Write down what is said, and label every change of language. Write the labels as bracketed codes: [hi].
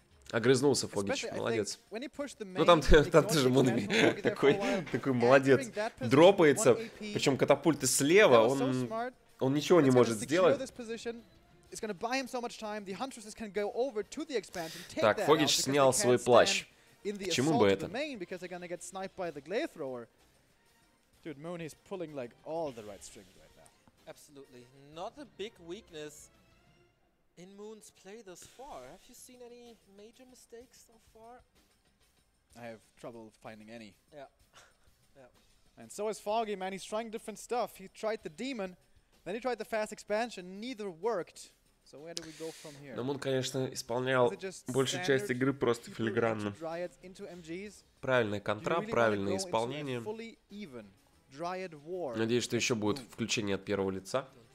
[ru] Огрызнулся Фогич, молодец. Ну там тоже Мунами такой молодец. Дропается, причем катапульты слева, он ничего не может сделать. [en] It's going to buy him so much time. The Huntress can go over to the expansion. [ru] Так, Фогич снял свой плащ. К чему бы это? [en] Because they're going to get sniped by the glaive thrower. Dude, Moon is pulling like all the right strings right now. Absolutely. Not a big weakness in Moon's play thus far. Have you seen any major mistakes so far? I have trouble finding any. Yeah. Yeah. And so is Foggy, man. He's trying different stuff. He tried the demon. Then he tried the fast expansion, neither worked. So where do we go from here? [ru] Но Мун, конечно, исполнял большую часть игры просто филигранно. Правильная контра, правильное исполнение. Надеюсь, что еще будет включение от первого лица.